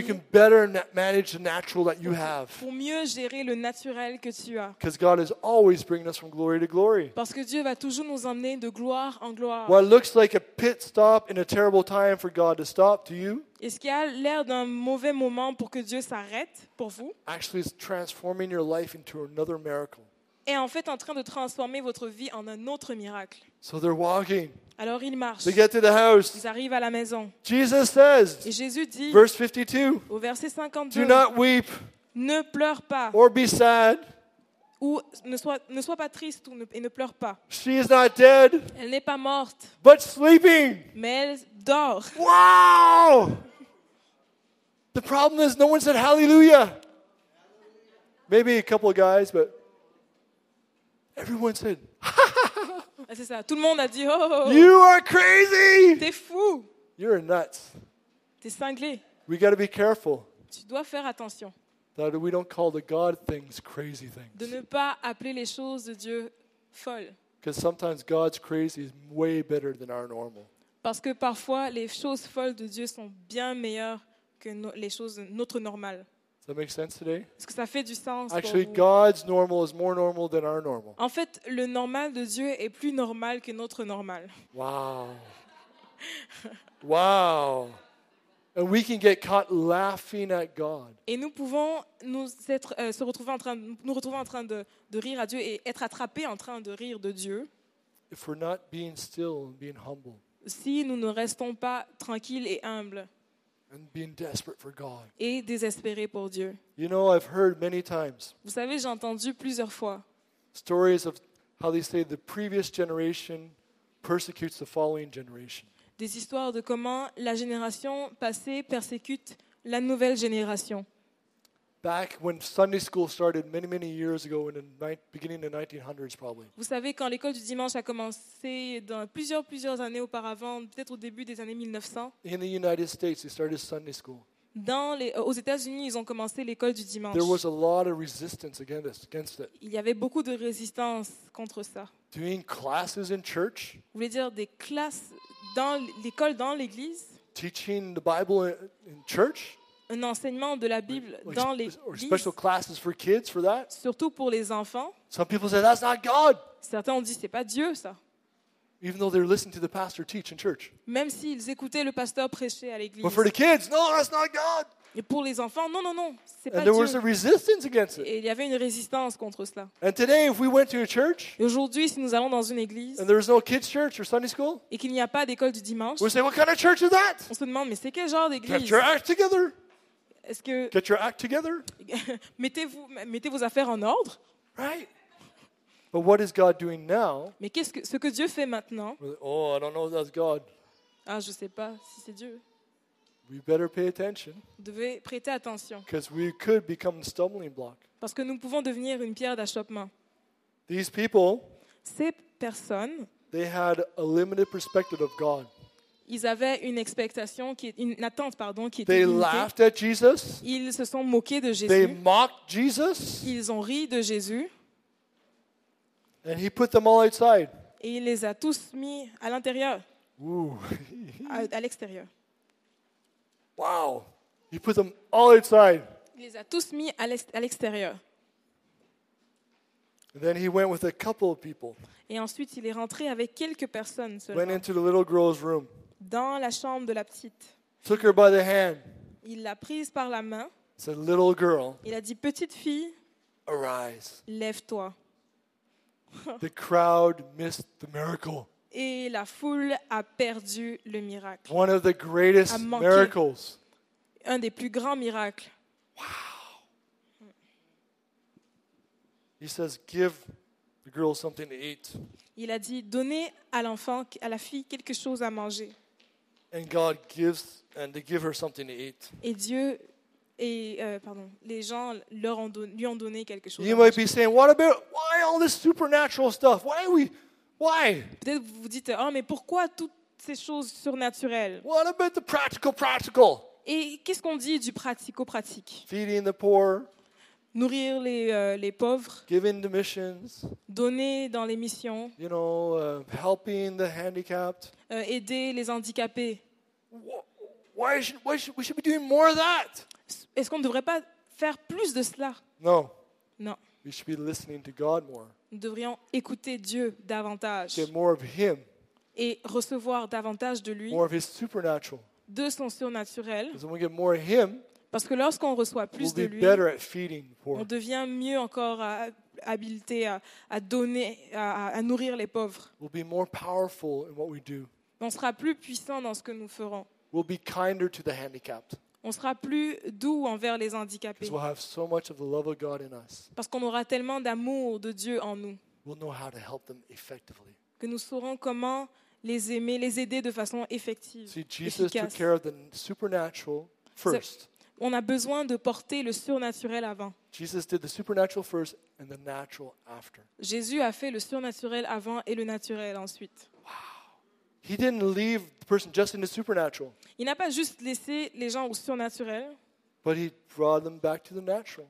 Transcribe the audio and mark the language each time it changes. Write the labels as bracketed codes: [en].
[en] So you can better manage the natural that you have. [fr] Pour mieux gérer le naturel que tu as. [en] Because God is always bringing us from glory to glory. [fr] Parce que Dieu va toujours nous emmener de gloire en gloire. [en] What looks like a pit stop in a terrible time for God to stop to you? [fr] Est-ce qu'il y a l'air d'un mauvais moment pour que Dieu s'arrête pour vous? [en] Actually, it's transforming your life into another miracle. [fr] Est en fait en train de transformer votre vie en un autre miracle. [en] So they're walking. [fr] Alors ils marchent. [en] They get to the house. [fr] Ils arrivent à la maison. [en] Jesus says, [fr] et Jésus dit, [en] verse 52, [fr] au verset 52, [en] do not weep, [fr] ne pleure pas, [en] or be sad, [fr] ou ne sois pas triste et ne pleure pas. [en] She is not dead, [fr] elle n'est pas morte, [en] but sleeping, [fr] mais elle dort. [en] Wow! The problem is no one said hallelujah. Maybe a couple of guys, but everyone said, ha, ha, ha. [fr] C'est ça. Tout le monde a dit, oh, [en] you are crazy. [fr] T'es fou. [en] You're nuts. [fr] T'es cinglé. [en] We got to be careful. [fr] Tu dois faire attention. [en] That we don't call the God things crazy things. [fr] De ne pas appeler les choses de Dieu folles. [en] Because sometimes God's crazy is way better than our normal. [fr] Parce que parfois les choses folles de Dieu sont bien meilleures que les choses notre normal. [en] Does that make sense today? [fr] Est-ce que ça fait du sens? [en] Actually, God's normal is more normal than our normal. [fr] En fait, le normal de Dieu est plus normal que notre normal. [en] Wow. Wow. And we can get caught laughing at God. [fr] Et nous pouvons nous retrouver en train de rire à Dieu et être attrapés en train de rire de Dieu. [en] If we're not being still and being humble. [fr] Si nous ne restons pas tranquilles et humbles. [en] And being desperate for God. [fr] Et désespéré pour Dieu. [en] You know, I've heard many times. [fr] Vous savez, j'ai entendu plusieurs fois. [en] Stories of how they say the previous generation persecutes the following generation. [fr] Des histoires de comment la génération passée persécute la nouvelle génération. [en] Back when Sunday school started many many years ago in the beginning of the 1900s probably. [fr] Vous savez quand l'école du dimanche a commencé dans plusieurs années auparavant, peut-être au début des années 1900. [en] In the United States they started Sunday school. [fr] Aux États-Unis, ils ont commencé l'école du dimanche. [en] There was a lot of resistance against it. [fr] Il y avait beaucoup de résistance contre ça. [en] Doing classes in church? [fr] Vous voulez dire des classes dans l'école dans l'église? [en] Teaching the Bible in church? [fr] Un enseignement de la Bible dans les lits. [en] Special classes for kids for that. [fr] Surtout pour les enfants. [en] Some people say that's not God. [fr] Certains ont dit c'est pas Dieu ça. [en] Even though they're listening to the pastor teach in church. [fr] Même s'ils écoutaient le pasteur prêcher à l'église. [en] But for the kids, no, that's not God. [fr] Et pour les enfants, non, c'est [en] and [fr] pas [en] there [fr] Dieu. [en] Was a resistance against it. [fr] Et il y avait une résistance contre cela. [en] And today, if we went to a church, [fr] et aujourd'hui, si nous allons dans une église, [en] and there is no kids church or Sunday school, [fr] et qu'il n'y a pas d'école du dimanche, [en] we say what kind of church is that? [fr] On se demande mais c'est quel genre d'église? [en] Get your act together. [fr] Est-ce que [en] get your act together. [fr] mettez vos affaires en ordre. [en] Right. But what is God doing now? [fr] Mais qu'est-ce que ce que Dieu fait maintenant? [en] Oh, I don't know if that's God. [fr] Ah, je sais pas si c'est Dieu. [en] We better pay attention. [fr] Devez prêter attention. [en] Because we could become a stumbling block. [fr] Parce que nous pouvons devenir une pierre d'achoppement. [en] These people. [fr] Ces personnes. [en] They had a limited perspective of God. [fr] Ils avaient une attente qui était [en] they [fr] limitée. [en] Laughed at Jesus. [fr] Ils se sont moqués de Jésus. [en] They mocked Jesus. [fr] Ils ont ri de Jésus. [en] And he put them all outside. [fr] Et il les a tous mis à l'intérieur. Ooh. À l'extérieur. [en] Wow. He put them all inside. [fr] Il les a tous mis à l'extérieur. [en] And then he went with a couple of people. [fr] Et ensuite, il est rentré avec quelques personnes seulement. [en] Went into the little girl's room. [fr] Dans la chambre de la petite. [en] Took her by the hand. [fr] Il l'a prise par la main. [en] Said, little girl. [fr] Il a dit, petite fille. [en] Arise. [fr] Lève-toi. [en] The crowd missed the miracle. [fr] Et la foule a perdu le miracle. [en] One of the greatest miracles. [fr] Un des plus grands miracles. [en] He says, "Give the girl something to eat." [fr] Il a dit, donnez à l'enfant, à la fille, quelque chose à manger. [en] And God gives, and they give her something to eat. [fr] Et Dieu et pardon, les gens leur ont lui ont donné quelque chose. [en] You might be saying, "What about why all this supernatural stuff? Why are we, why?" [fr] Peut-être vous dites, oh mais pourquoi toutes ces choses surnaturelles? [en] What about the practical, practical? [fr] Et qu'est-ce qu'on dit du pratico pratique? [en] Feeding the poor. [fr] Nourrir les pauvres. [en] Giving the missions. [fr] Donner dans les missions. [en] You know, helping the handicapped. [fr] Aider les handicapés. [en] Why should we be doing more of that? [fr] Est-ce qu'on ne devrait pas faire plus de cela? [en] No. [fr] Non. [en] We should be listening to God more. [fr] Nous devrions écouter Dieu davantage. [en] Get more of Him. [fr] Et recevoir davantage de lui. [en] More of His supernatural. [fr] De son surnaturel. [en] Because when we get more of Him. [fr] Parce que lorsqu'on reçoit plus [en] we'll [fr] de lui, on devient mieux encore habilité à donner, à nourrir les pauvres. [en] We'll be more powerful in what we do. [fr] On sera plus puissant dans ce que nous ferons. [en] We'll be kinder to the handicapped. [fr] On sera plus doux envers les handicapés. [en] We'll have so much of the love of God in us. [fr] Parce qu'on aura tellement d'amour de Dieu en nous. [en] We'll know how to help them effectively. [fr] Que nous saurons comment les aimer, les aider de façon effective. [en] See, Jesus took care of the supernatural first. [fr] On a besoin de porter le surnaturel avant. [en] Jesus did the supernatural first and the natural after. [fr] Jésus a fait le surnaturel avant et le naturel ensuite. [en] Wow. He didn't leave the person just in the supernatural. [fr] Il n'a pas juste laissé les gens au surnaturel. [en] But he brought them back to the natural.